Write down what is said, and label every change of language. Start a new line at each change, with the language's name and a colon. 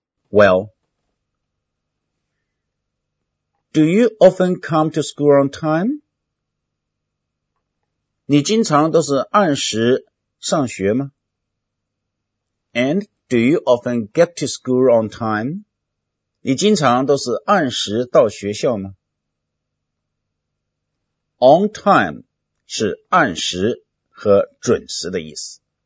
English: Well,Do you often come to school on time?
Chinese: 你经常都是按时上学吗?
English: And do you often get to school on time?
Chinese: 你经常都是按时到学校吗?
English: On time
Chinese: 是按时和准时的意思。